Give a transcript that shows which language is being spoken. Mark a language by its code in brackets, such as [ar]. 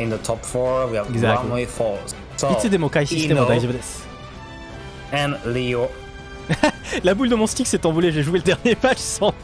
[en] In the top four, we have Ram with all. [ja] So, いつでも開始しても大丈夫です。 [en] And Leo. [fr] La boule de mon stick s'est envolée, j'ai joué le dernier match sans.